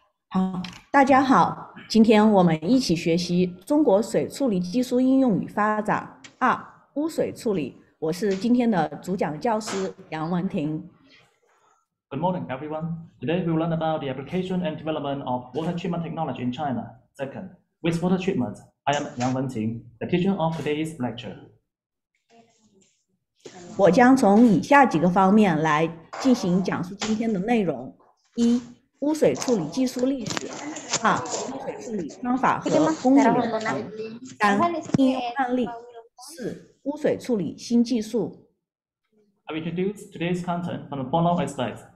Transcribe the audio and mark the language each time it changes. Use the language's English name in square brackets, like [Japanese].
[Chinese] Hello,大家好，今天我们一起学习中国水处理技术应用与发展二污水处理。我是今天的主讲教师杨文婷。 [English] Good morning, everyone. Today we will learn about the application and development of water treatment technology in China. Second, wastewater treatment. I am Yang Wenting, the teacher of today's lecture. [Chinese] 我将从以下几个方面来进行讲述今天的内容：一、污水处理技术历史；二、污水处理方法和工艺流程；三、应用案例；四、污水处理新技术。 [English] I introduce today's content from the following slides.